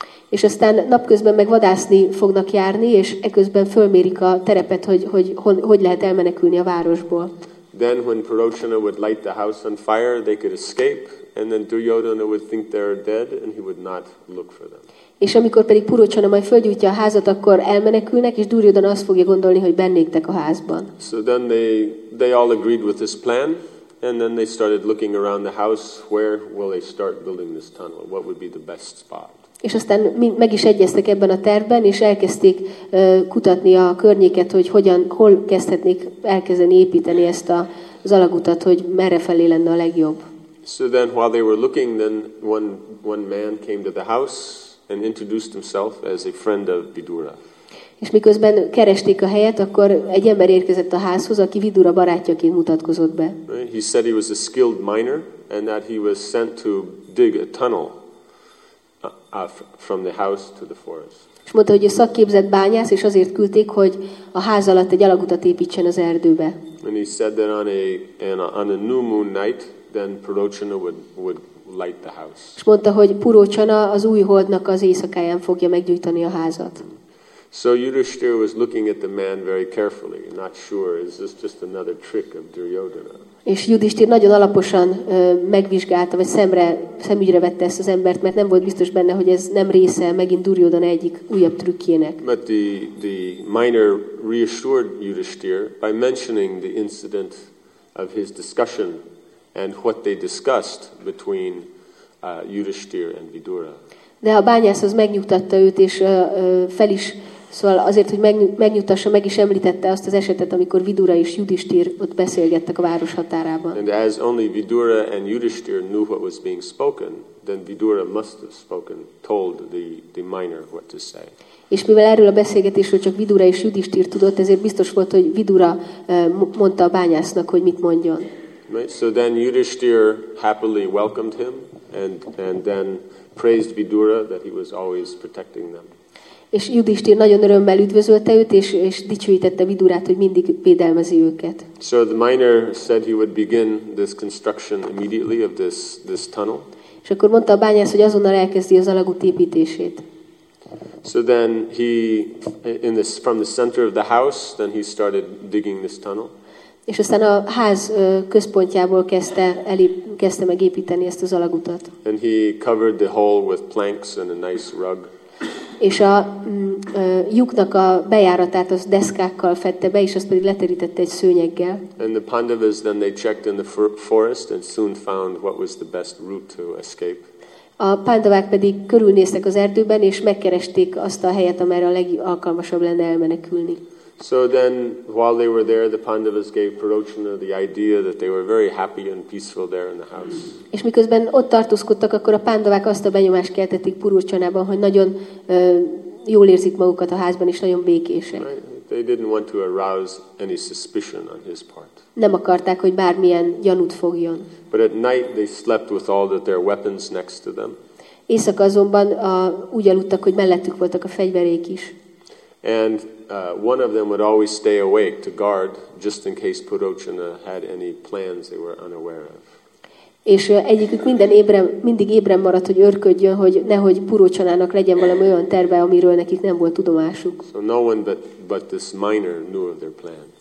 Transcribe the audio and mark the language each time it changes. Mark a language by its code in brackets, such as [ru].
[hu] És aztán napközben meg vadászni fognak járni, és eközben fölmérik a terepet, hogy lehet elmenekülni a városból. [en] Then when Purocsana would light the house on fire, they could escape, and then Duryodhana would think they're dead, and he would not look for them. [hu] És amikor pedig Purocsana majd fölgyújtja a házat, akkor elmenekülnek, és Duryodhana azt fogja gondolni, hogy bennéktek a házban. [en] So then they all agreed with this plan, and then they started looking around the house, where will they start building this tunnel? What would be the best spot? [hu] És aztán meg is egyeztek ebben a tervben, és elkezdték kutatni a környéket, hogy hol kezdhetnék elkezdeni építeni ezt az alagutat, hogy merre felé lenne a legjobb. [en] So then while they were looking, then one man came to the house and introduced himself as a friend of Vidura. [hu] És miközben keresték a helyet, akkor egy ember érkezett a házhoz, aki Vidura barátjaként mutatkozott be. [en] He said he was a skilled miner and that he was sent to dig a tunnel from the house to the forest. [hu] És mondta, hogy a szakképzett bányász, és azért küldték, hogy a ház alatt egy alagutat építsen az erdőbe. [en] And he said that on a new moon night, then Purochana would light the house. [hu] És mondta, hogy Purochana az új holdnak az éjszakáján fogja meggyújtani a házat. [en] So Yudhishthira was looking at the man very carefully, not sure, is this just another trick of Duryodhana? [hu] És Yudhishthira nagyon alaposan megvizsgálta, vagy szemügyre vette ezt az embert, mert nem volt biztos benne, hogy ez nem része megint Duryodhana egyik újabb trükkjének. [en] But the miner reassured Yudhishthira by mentioning the incident of his discussion and what they discussed between Yudhishthira and Vidura. [hu] De a bányász az megnyugtatta őt, és fel is, szóval azért, hogy megnyugtassa, meg is említette azt az esetet, amikor Vidura és Yudhishthir ott beszélgettek a város határában. [en] And as only Vidura and Yudhishthir knew what was being spoken, then Vidura must have spoken, told the miner what to say. [hu] És mivel erről a beszélgetésről csak Vidura és Yudhishthir tudott, ezért biztos volt, hogy Vidura mondta a bányásznak, hogy mit mondjon. [en] Right? So then Yudhishthir happily welcomed him, and then praised Vidura that he was always protecting them. [hu] És Yudhishthir nagyon örömmel üdvözölte őt, és dicsőítette Vidurát, hogy mindig védelmezi őket. [en] So the miner said he would begin this construction immediately of this tunnel. [hu] És akkor mondta a bányász, hogy azonnal elkezdi az alagút építését. [en] So then he in this from the center of the house, then he started digging this tunnel. [hu] És aztán a ház központjából kezdte meg építeni ezt az alagutat. [en] And he covered the hole with planks and a nice rug. [hu] És a lyuknak a bejáratát az deszkákkal fette be, és azt pedig leterítette egy szőnyeggel. [en] And the Pandavas then they checked in the forest and soon found what was the best route to escape. [hu] A pandavák pedig körülnéztek az erdőben, és megkeresték azt a helyet, amerre a legalkalmasabb lenne elmenekülni. [en] So then, while they were there, the Pandavas gave Purochana the idea that they were very happy and peaceful there in the house. [hu] És miközben ott tartózkodtak, akkor a pandavák azt a benyomást keltették Purochanában, hogy nagyon jól érzik magukat a házban, és nagyon békések. [en] They didn't want to arouse any suspicion on his part. [hu] Nem akarták, hogy bármilyen gyanút fogjon. [en] But at night they slept with all that their weapons next to them. [hu] Éjszaka azonban úgy aludtak, hogy mellettük voltak a fegyverék is. [en] And one of them would always stay awake to guard just in case Purochana had any plans they were unaware of. [hu] És egyikük mindig ébren maradt, hogy őrködjön, hogy nehogy Purochanának legyen valami olyan terve, amiről nekik nem volt tudomásuk. [en] So no one but this miner knew of their plans.